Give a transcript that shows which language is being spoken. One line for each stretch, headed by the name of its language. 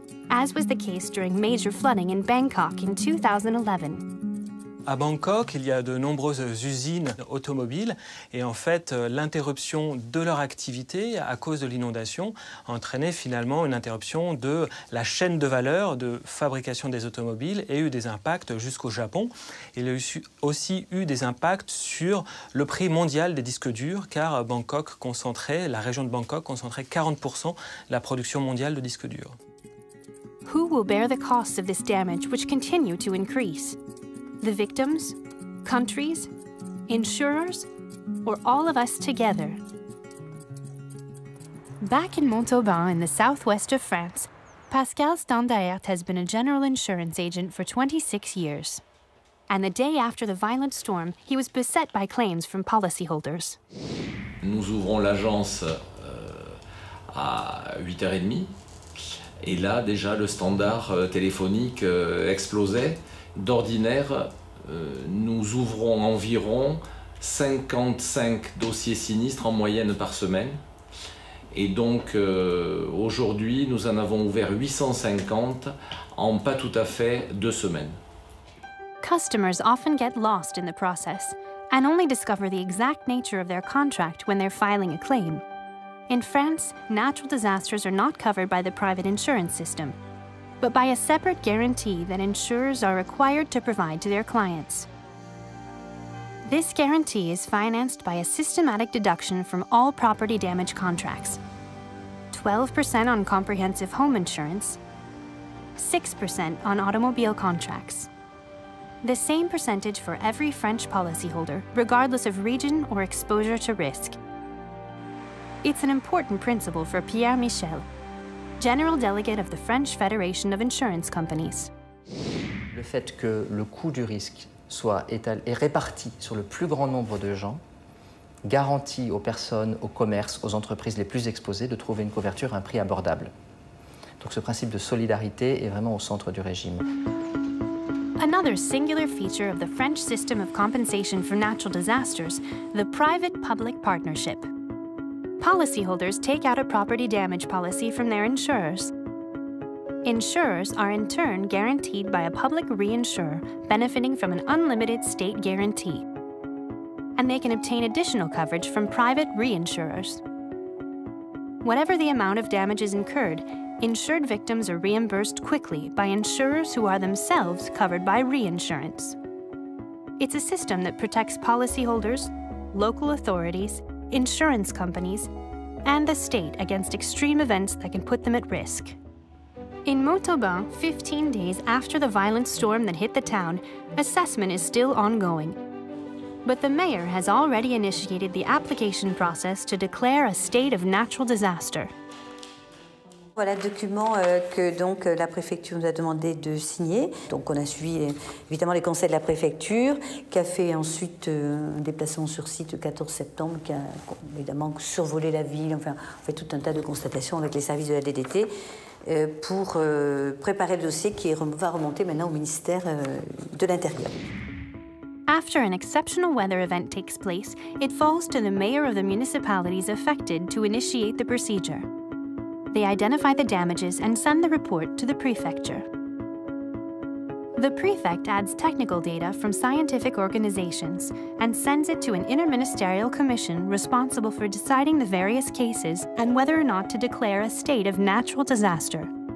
English: As was the case during major flooding in Bangkok in 2011.
French: À Bangkok, il y a de nombreuses usines automobiles et en fait, l'interruption de leur activité à cause de l'inondation a entraîné finalement une interruption de la chaîne de valeur de fabrication des automobiles et eu des impacts jusqu'au Japon. Il a aussi eu des impacts sur le prix mondial des disques durs car Bangkok concentrait, la région de Bangkok concentrait 40% de la production mondiale de disques durs.
English: Who will bear the costs of this damage which continue to increase? The victims, countries, insurers, or all of us together? Back in Montauban in the southwest of France, Pascal Standaert has been a general insurance agent for 26 years. And the day after the violent storm, he was beset by claims from policyholders.
French: Nous ouvrons l'agence à 8h30. Et là, déjà, le standard téléphonique explosait. D'ordinaire, nous ouvrons environ 55 dossiers sinistres en moyenne par semaine. Et donc, aujourd'hui, nous en avons ouvert 850 en pas tout à fait 2 semaines.
English: Customers often get lost in the process and only discover the exact nature of their contract when they're filing a claim. In France, natural disasters are not covered by the private insurance system, but by a separate guarantee that insurers are required to provide to their clients. This guarantee is financed by a systematic deduction from all property damage contracts, 12% on comprehensive home insurance, 6% on automobile contracts. The same percentage for every French policyholder, regardless of region or exposure to risk. It's an important principle for Pierre Michel, General Delegate of the French Federation of Insurance Companies.
French: Le fait que le coût du risque soit étalé et réparti sur le plus grand nombre de gens garantit aux personnes, aux commerces, aux entreprises les plus exposées de trouver une couverture à un prix abordable. Donc ce principe de solidarité est vraiment au centre du régime.
English: Another singular feature of the French system of compensation for natural disasters, the private-public partnership. Policyholders take out a property damage policy from their insurers. Insurers are in turn guaranteed by a public reinsurer benefiting from an unlimited state guarantee. And they can obtain additional coverage from private reinsurers. Whatever the amount of damages incurred, insured victims are reimbursed quickly by insurers who are themselves covered by reinsurance. It's a system that protects policyholders, local authorities, insurance companies, and the state against extreme events that can put them at risk. In Montauban, 15 days after the violent storm that hit the town, assessment is still ongoing. But the mayor has already initiated the application process to declare a state of natural disaster.
French: Voilà le document que donc la préfecture nous a demandé de signer. Donc on a suivi évidemment les conseils de la préfecture, qui a fait ensuite un déplacement sur site le 14 septembre, qui a évidemment survolé la ville, enfin on fait tout un tas de constatations avec les services de la DDT pour préparer le dossier qui va remonter maintenant au ministère de l'Intérieur.
English: After an exceptional weather event takes place, it falls to the mayor of the municipalities affected to initiate the procedure. They identify the damages and send the report to the prefecture. The prefect adds technical data from scientific organizations and sends it to an interministerial commission responsible for deciding the various cases and whether or not to declare a state of natural disaster.